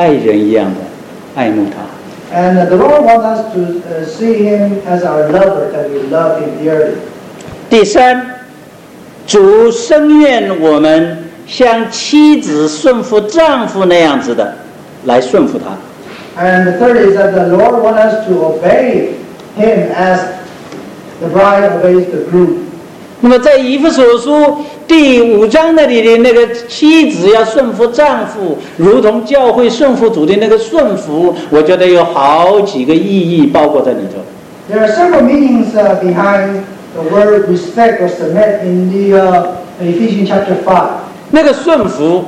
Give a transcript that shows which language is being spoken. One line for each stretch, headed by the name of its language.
Chinese: 神要我们像爱人一样的爱慕他。
English: And the Lord wants us to see Him as our lover, that we love Him dearly.
Chinese: 第三, 主深愿我们 像妻子顺服丈夫那样子的来顺服他。
English: And the third is that the Lord wants us to obey Him as the bride obeys the groom.
Chinese: 那么在以弗所书第五章那里的那个妻子要顺服丈夫，如同教会顺服主的那个顺服，我觉得有好几个意义包括在里头。
English: There are several meanings behind the word respect or submit in the Ephesians chapter 5.